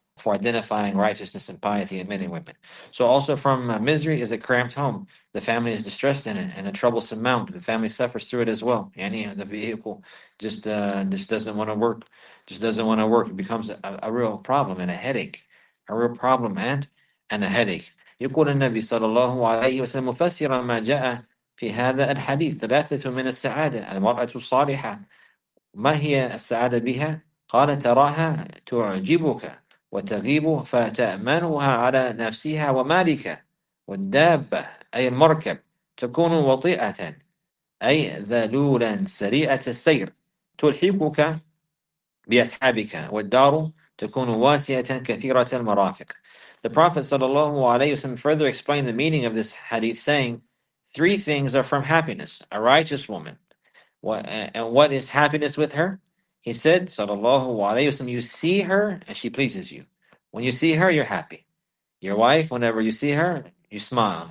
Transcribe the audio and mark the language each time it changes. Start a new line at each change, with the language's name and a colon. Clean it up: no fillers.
English: for identifying righteousness and piety in many women. So also from misery is a cramped home. The family is distressed in it and a troublesome mount. The family suffers through it as well. And yeah, the vehicle just doesn't want to work. Just doesn't want to work. It becomes a real problem and a headache. A real problem and a headache.
Arabic: يقول النبي صلى الله عليه وسلم مفسرا ما جاء في هذا الحديث ثلاثة من السعادة المرأة الصالحة ما هي السعادة بها؟ قال تراها تعجبك وتغيب فتأمنها على نفسها ومالك والدابة أي المركب تكون وطيئة أي ذلولا سريعة السير تلحقك بأصحابك والدار تكون واسعة كثيرة المرافق.
English: The Prophet sallallahu alaihi wasallam further explained the meaning of this hadith, saying, three things are from happiness, a righteous woman. And what is happiness with her? He said, sallallahu alaihi wasallam, you see her and she pleases you. When you see her, you're happy. Your wife, whenever you see her, you smile.